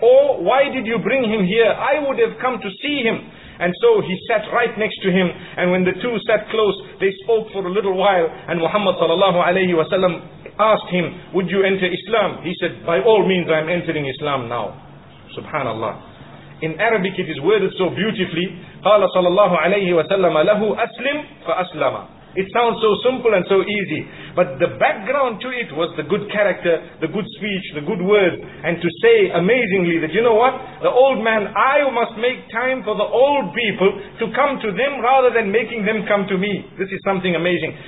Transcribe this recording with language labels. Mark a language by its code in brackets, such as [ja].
[en] Or why did you bring him here? I would have come to see him. And so he sat right next to him, and when the two sat close, they spoke for a little while, and Muhammad sallallahu alayhi wa sallam asked him, would you enter Islam? He said, by all means, I am entering Islam now. Subhanallah. In Arabic it is worded so beautifully, [ar] قَالَ صَلَى اللَّهُ عَلَيْهِ وَسَلَّمَ لَهُ أَسْلِمْ فَأَسْلَمَ. [en] It sounds so simple and so easy, but the background to it was the good character, the good speech, the good words, and to say amazingly that, you know what, the old man, I must make time for the old people to come to them rather than making them come to me. This is something amazing.